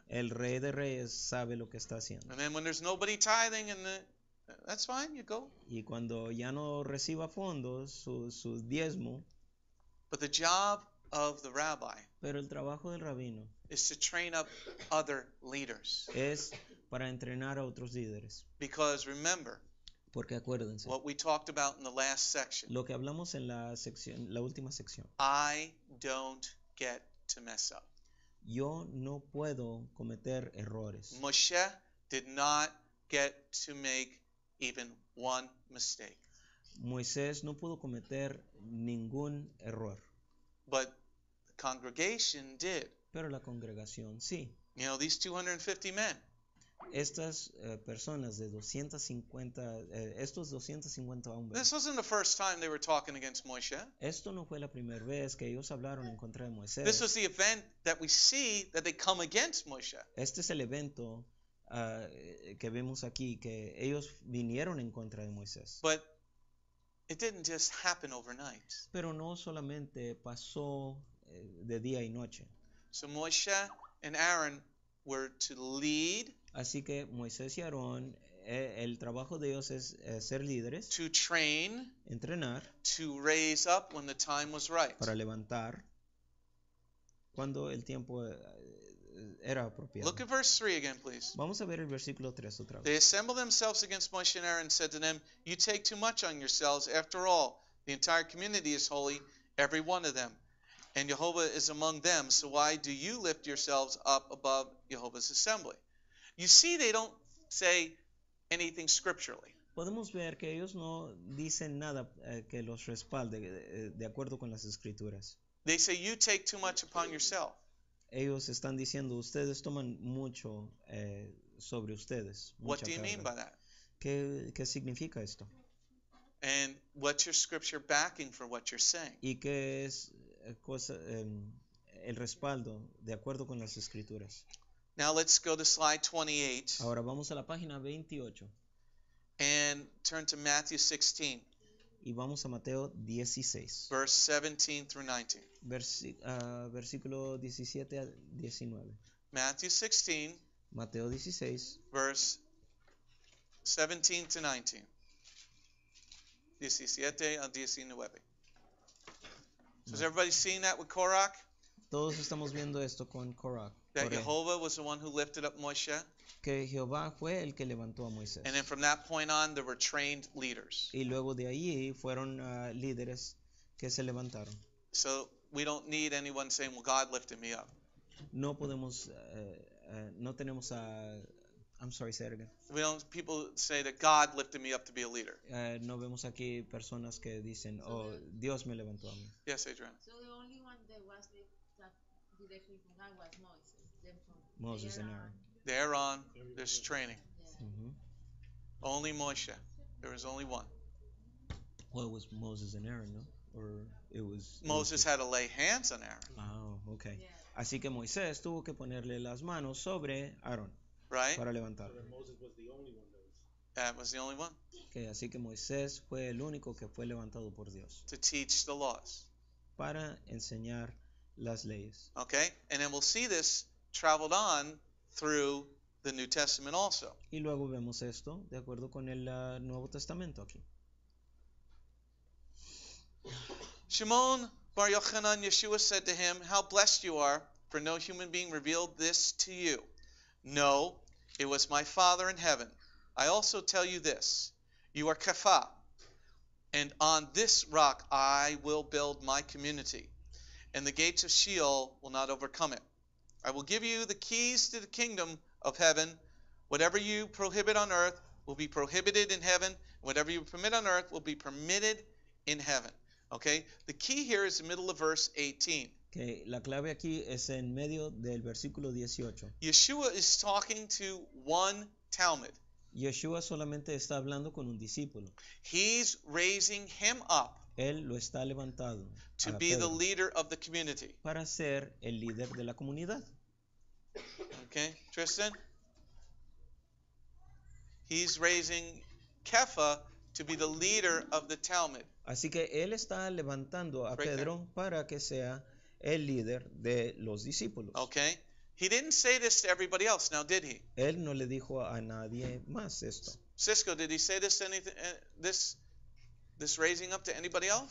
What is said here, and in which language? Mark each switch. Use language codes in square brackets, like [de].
[es] El Rey de Reyes sabe lo que está haciendo. [en] And then when there's nobody tithing, and that's fine, you go. [es] Y cuando ya no reciba fondos, su diezmo. [en] But the job of the rabbi. [es] Pero el trabajo del rabino. [en] Is to train up other leaders. [es] Es para entrenar a otros líderes. [en] Because remember, [es] porque acuérdense, [en] what we talked about in the last section. [es] Lo que hablamos en la sección, la última sección. [en] I don't get to mess up. [es] Yo no puedo cometer errores. [en] Moshe did not get to make even one mistake. [es] Moisés no pudo cometer ningún error. [en] But the congregation did. [es] Pero la congregación sí. [en] You know, these 250 men. [es] Estas personas de 250, estos 250 hombres. [en] This wasn't the first time they were talking against Moshe. [es] Esto no fue la primera vez que ellos hablaron en contra de Moisés. [en] This was the event that we see that they come against Moshe. [es] Este es el evento que vemos aquí, que ellos vinieron en contra de Moisés. [en] But it didn't just happen overnight. [es] Pero no solamente pasó de día y noche. [en] So Moshe and Aaron were to lead. [es] Así que Moisés y Aarón, el trabajo de ellos es ser líderes. [en] To train. [es] Entrenar. [en] To raise up when the time was right. [es] Para levantar cuando el tiempo era apropiado. [en] Look at verse 3 again, please. [es] Vamos a ver el versículo 3 otra vez. [en] They assembled themselves against Moshe and Aaron and said to them, "You take too much on yourselves. After all, the entire community is holy, every one of them. And Jehovah is among them. So why do you lift yourselves up above Jehovah's assembly?" You see, they don't say anything scripturally. [es] Podemos ver que ellos no dicen nada que los respalde de acuerdo con las escrituras. [en] They say, "You take too much upon yourself." [es] Ellos están diciendo, ustedes toman mucho sobre ustedes. [en] What do you mean by that? [es] ¿Qué significa esto? [en] And what's your scripture backing for what you're saying? [es] ¿Y qué es cosa, el respaldo de acuerdo con las escrituras? [en] Now let's go to slide 28. [es] Ahora vamos a la página 28. [en] And turn to Matthew 16. [es] Y vamos a Mateo 16. [en] Verse 17 through 19. [es] Versículo 17 a 19. [en] Matthew 16. [es] Mateo 16. [en] Verse 17 to 19. [es] 17 a 19. [en] So has everybody seen that with Korach? [es] Todos estamos viendo esto con Korach. [en] That Jehovah was the one who lifted up Moshe. [es] Que Jehová fue el que levantó a Moisés. [en] And then from that point on, there were trained leaders. [es] Y luego de allí fueron líderes que se levantaron. [en] So we don't need anyone saying, "Well, God lifted me up." [es] No podemos, no tenemos a, [en] I'm sorry, say it again. We don't, people say that God lifted me up to be a leader. [es] No vemos aquí personas que dicen, so [en] "Oh, the, [es] Dios me levantó a mí." [en] Yes, Adrian. So the only one that was lifted up directly from God was Moisés. Moses and Aaron. They're on. There's training. Yeah. Mm-hmm. Only Moshe. There was only one. Well, it was Moses and Aaron, no? Or it was Moses had to lay hands on Aaron. Oh, okay. Yeah. [es] Así que Moisés tuvo que ponerle las manos sobre Aaron. [en] Right? [es] Para levantarlo. [en] So Moses was the only one. That was the only one. [es] Okay, así que Moisés fue el único que fue levantado por Dios. [en] To teach the laws. [es] Para enseñar las leyes. [en] Okay, and then we'll see this traveled on through the New Testament also. [es] Y luego vemos esto de acuerdo con el Nuevo Testamento aquí. [en] Shimon Bar Yochanan, Yeshua said to him, "How blessed you are, for no human being revealed this to you. No, it was my Father in heaven. I also tell you this, you are Kepha, and on this rock I will build my community, and the gates of Sheol will not overcome it. I will give you the keys to the kingdom of heaven. Whatever you prohibit on earth will be prohibited in heaven. Whatever you permit on earth will be permitted in heaven." Okay? The key here is the middle of verse 18. [es] Okay, la clave aquí es en medio del versículo 18. [en] Yeshua is talking to one Talmud. [es] Yeshua solamente está hablando con un discípulo. [en] He's raising him up. [es] Él lo está levantando [en] to be the leader of the community. [es] Para ser el líder de la comunidad. [en] Okay, Tristan. He's raising Kepha to be the leader of the Talmud. [es] Así que él está levantando a Pedro para que sea el líder de los discípulos. [en] Okay. He didn't say this to everybody else, now did he? [es] Él no le dijo a nadie más esto. [en] Cisco, did he say this to anything, this raising up to anybody else?